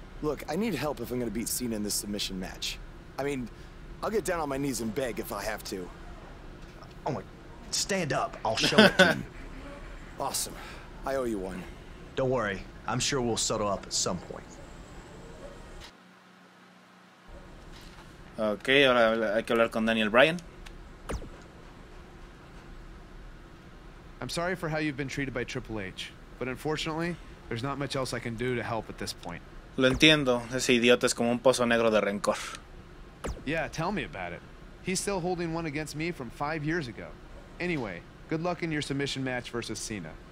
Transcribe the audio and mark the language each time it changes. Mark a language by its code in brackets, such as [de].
[en] Look, I need help if I'm gonna beat Cena in this submission match. I mean, I'll get down on my knees and beg if I have to. Oh my, stand up. I'll show it to you. Awesome. I owe you one. Don't worry. I'm sure we'll settle up at some point. [es] Okay, ahora hay que hablar con Daniel Bryan. [en] I'm sorry for how you've been treated by Triple H, but unfortunately, there's not much else I can do to help at this point. [es] Lo entiendo, ese idiota es como un pozo negro de rencor. [en] Yeah, tell me about it. He's still holding one against me from 5 years ago. Anyway, good luck in your submission match versus Cena.